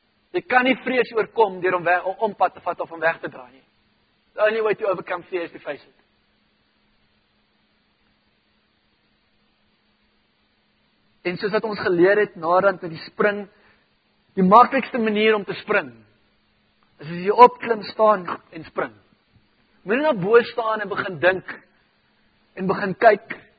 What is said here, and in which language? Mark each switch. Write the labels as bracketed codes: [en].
[af] Jy kan nie vrees oorkom, door om ompad te vat, of om weg te draai. [en] The only way to overcome fear is to face it. [af] En soos wat ons geleer het, naderhand met die spring, die maklikste manier om te spring, is as jy opklim, staan en spring. Moet jy na bo staan en begin dink, en begin kyk.